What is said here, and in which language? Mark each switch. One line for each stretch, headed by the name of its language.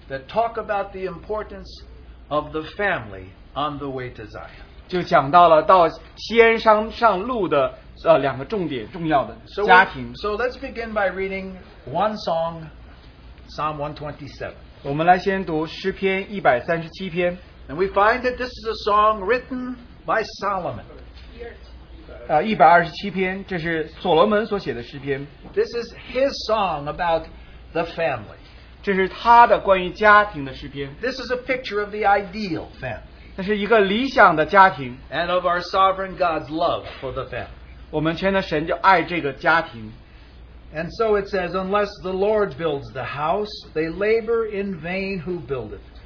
English: that talk about the importance of the family on the way to Zion.
Chinese: 就讲到了到西安山上路的 两个重点重要的家庭。
English: So let's begin by reading one song, Psalm 127.
Chinese: 我们来先读诗篇137篇。
English: And we find that this is a song written by Solomon.
Chinese: 127篇, 这是所罗门所写的诗篇。
English: This is his song about the family.
Chinese: 这是他的关于家庭的诗篇。
English: This is a picture of the ideal family.
Chinese: 这是一个理想的家庭。
English: And of our sovereign God's love for the family. And so it says, unless the Lord builds the house, they labor in vain who build it.